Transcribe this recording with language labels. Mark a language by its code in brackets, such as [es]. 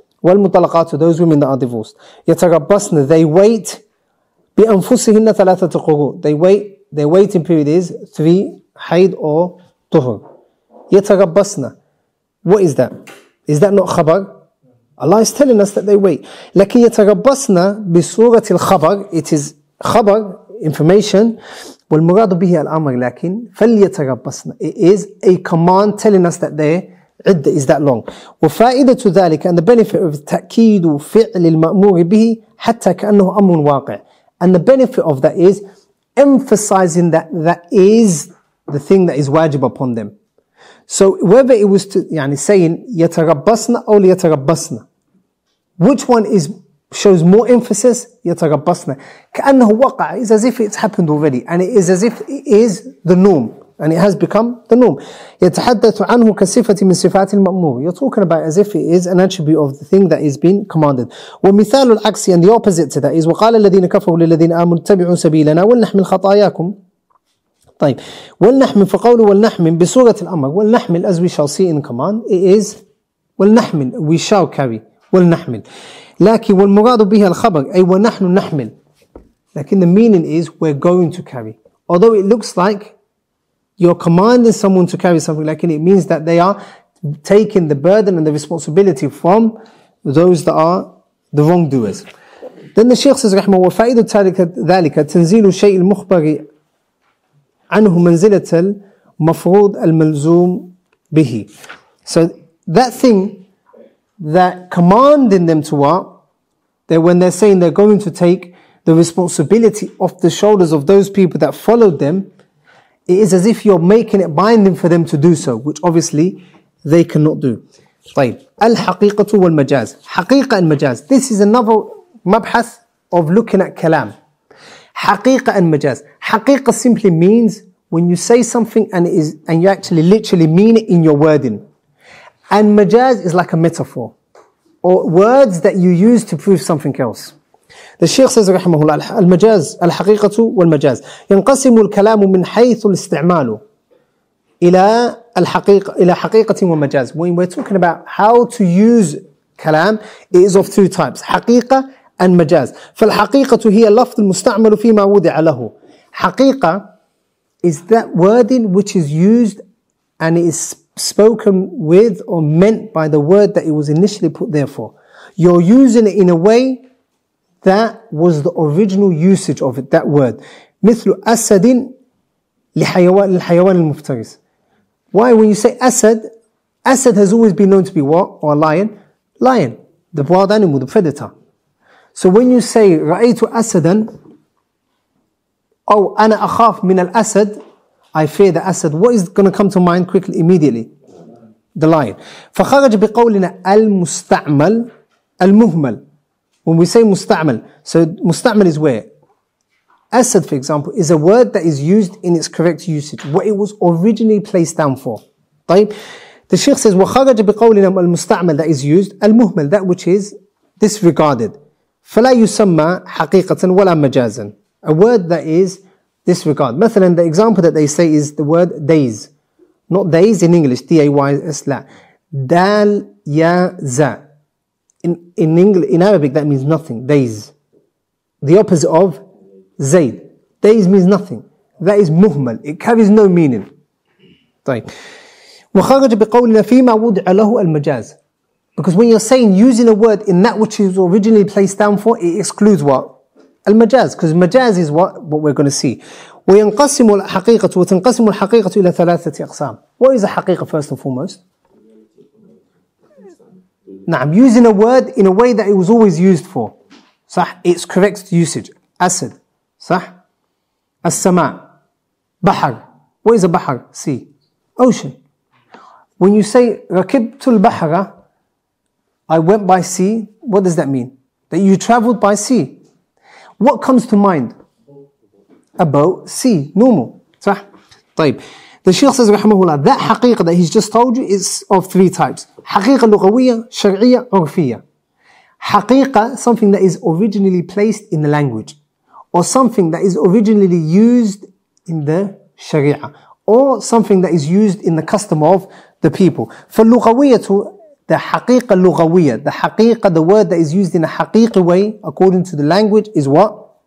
[en] وَالْمُطَلَقَاتُ, those women that are divorced. يَتَرَبَّصْنَ, they wait, [ar] بِأَنفُسِهِنَّ ثَلَاثَةَ قُرُوءٍ. [en] They wait, their waiting period is 3, حيد or طهر. يَتَرَبَّصْنَ, what is that? Is that not khabar? Allah is telling us that they wait. [ar] لكن يتربصنا بصورة الخبر. [en] It is خبر, information. [ar] والمراد به الأمر لكن فليتربصنا. [en] It is a command telling us that their عدة is that long. [ar] وفائدة ذلك [en] and the benefit of [ar] تأكيد فعل المأمور به حتى كأنه أمر واقع. [en] And the benefit of that is emphasizing that that is the thing that is wajib upon them. So whether it was to يعني saying [ar] يتربصنا أو ليتربصنا, [en] which one is shows more emphasis? يتربصنا. [ar] كأنه وقع, [en] is as if it's happened already, and it is as if it is the norm, and it has become the norm. [ar] يتحدث عنه كصفة من صفات المأمور. [en] You're talking about as if it is an attribute of the thing that is being commanded. [ar] ومثال العكس, [en] and the opposite to that is [ar] وقال الذين كفروا للذين آمنوا اتبعوا سبيلنا ولنحمل خطاياكم. طيب ولنحمل, فقوله ولنحمل بصورة الأمر, ولنحمل [en] as we shall see in command, it is [ar] ولنحمل, [en] we shall carry, [ar] ولنحمل. لكن والمراد به الخبر أي ونحن نحمل, لكن [en] the meaning is we're going to carry. Although it looks like you're commanding someone to carry something, لكن it means that they are taking the burden and the responsibility from those that are the wrongdoers. Then the Sheikh says [ar] رحمه وفائد ذلك تنزيل شيء المخبر عنه منزلة المفروض الملزوم به. [en] So that thing that commanding them to what? That when they're saying they're going to take the responsibility off the shoulders of those people that followed them, it is as if you're making it binding for them to do so, which obviously they cannot do. [ar] طيب الحقيقة والمجاز, حقيقة المجاز. [en] This is another مبحث of looking at كلام. [ar] حقيقة المجاز. [en] حقيقة simply means when you say something and it is and you actually literally mean it in your wording. And majaz is like a metaphor or words that you use to prove something else. The Sheikh says [ar] رحمه الله المجاز, الحقيقة والمجاز. ينقسم الكلام من حيث الاستعمال إلى الحقيقة, إلى حقيقة ومجاز. [en] When we're talking about how to use كلام, it is of two types, حقيقة and مجاز. [ar] فالحقيقة هي اللفظ المستعمل فيما وضع له. [en] حقيقة is that wording which is used and it is spoken with or meant by the word that it was initially put there for. You're using it in a way that was the original usage of it, that word. [ar] مثل أسد للحيوان المفترس. [en] Why? When you say أسد, أسد has always been known to be what? Or a lion? Lion, the wild animal, the predator. So when you say [ar] رأيت أسدا, أو أنا أخاف من الأسد, [en] I fear the Asad. What is going to come to mind quickly, immediately? The lion. [ar] فخرج بقولنا المستعمل المهمل. [en] When we say مستعمل, so مستعمل is where? Asad, for example, is a word that is used in its correct usage, what it was originally placed down for. طيب, the Sheikh says [ar] وخرج بقولنا المستعمل, [en] that is used, المهمل, that which is disregarded. [ar] فلا يسمى حقيقة ولا مجازا, [en] a word that is disregard. مثلا, the example that they say is the word days. Not days in English, D-A-Y-S, لا. دال يا زا. In English, in Arabic, that means nothing, days. The opposite of زيد. Days means nothing. That is مهمل. It carries no meaning. طيب. [ar] وخرج بقولنا فيما وضع له المجاز. [en] Because when you're saying using a word in that which is originally placed down for, it excludes what? المجاز, because مجاز is what we're going to see. [ar] وينقسم الحقيقة وتنقسم الحقيقة إلى ثلاثة أقسام. [en] What is a حقيقة first and foremost? نعم, using a word in a way that it was always used for. صح, it's correct usage. [ar] أسد, صح. السماء, بحر. [en] What is a [ar] بحر? [en] Sea, ocean. When you say [ar] ركبت البحر, [en] I went by sea, what does that mean? That you traveled by sea. What comes to mind? About sea, normal. صح؟ طيب, the Sheikh says [ar] رحمه الله [en] that حقيقة that he's just told you is of three types. [ar] حقيقة لغوية, شرعية, عرفية. [en] حقيقة, something that is originally placed in the language, or something that is originally used in the Sharia, or something that is used in the custom of the people. فاللغوية, the حقيقة اللغوية, the حقيقة, the word that is used in a حقيقي way according to the language is what?